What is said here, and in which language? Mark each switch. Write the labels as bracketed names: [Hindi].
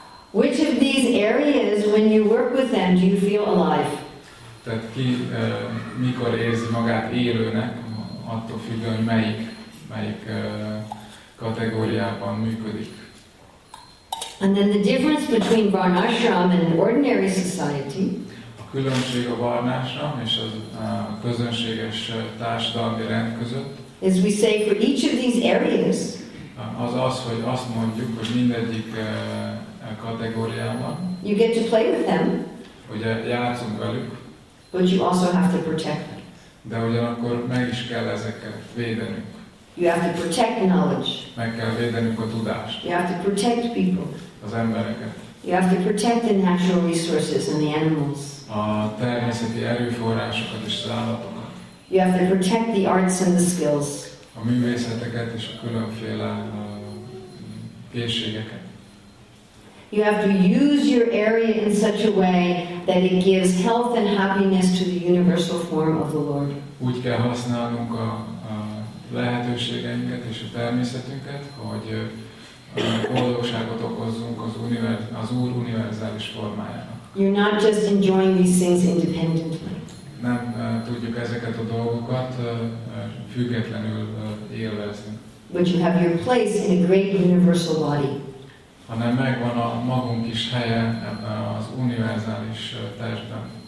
[English] Which of these areas, when you work with them, do you feel alive? [Hungarian] Tehát ki mikor érzi magát élőnek, attól függ, hogy melyik kategóriában működik. [English] And then the difference between varnashram and an ordinary society. [Hungarian] A különbség a varnashram és az a közönséges társadalmi rend között. [English] As we say for each of these areas. [Hungarian] Az, hogy azt mondjuk, hogy mindegyik kategóriában. [English] You get to play with them. [Hungarian] Ugye játszunk velük. [English] But you also have to protect them. [Hungarian] De ugyanakkor meg is kell ezeket védenünk. [English] You have to protect knowledge. [Hungarian] Meg kell védenünk a tudást. [English] You have to protect people. [Hungarian] Az embereket. [English] You have to protect the natural resources and the animals. [Hungarian] A természeti erőforrásokat és az állatokat. [English] You have to protect the arts and the skills. [Hungarian] A művészeteket és a különféle készségeket. [English] You have to use your area in such a way that it gives health and happiness to the universal form of the Lord. [Hungarian] Úgy kell használnunk a lehetőségeinket és a természetünket, hogy boldogságot okozzunk az Úr univerzális formájának. [English] You're not just enjoying these things independently. [Hungarian] Nem tudjuk ezeket a dolgokat függetlenül élvezni. [English] But you have your place in a great universal body. [Hungarian] Hanem megvan a magunk is helye ebben az univerzális testben.